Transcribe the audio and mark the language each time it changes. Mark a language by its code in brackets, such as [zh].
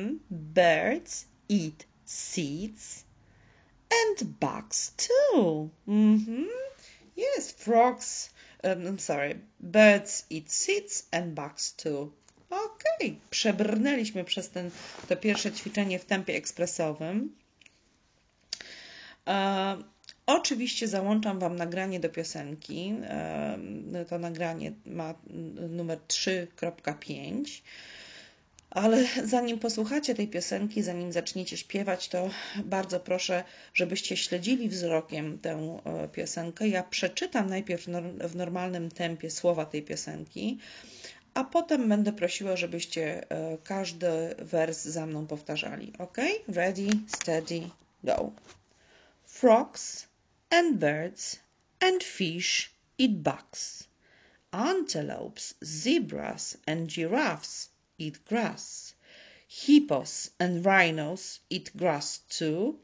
[en] Birds eat seeds and bugs too. Yes, frogs, birds eat seeds and bugs too. [pl] Okay, przebrnęliśmy przez to pierwsze ćwiczenie w tempie ekspresowym. Oczywiście załączam Wam nagranie do piosenki. To nagranie ma numer 3.5. Ale zanim posłuchacie tej piosenki, zanim zaczniecie śpiewać, to bardzo proszę, żebyście śledzili wzrokiem tę piosenkę. Ja przeczytam najpierw w normalnym tempie słowa tej piosenki, a potem będę prosiła, żebyście każdy wers za mną powtarzali. [en] Ok? Ready, steady, go. Frogs and birds and fish eat bugs. Antelopes, zebras and giraffes eat grass. Hippos and rhinos eat grass too.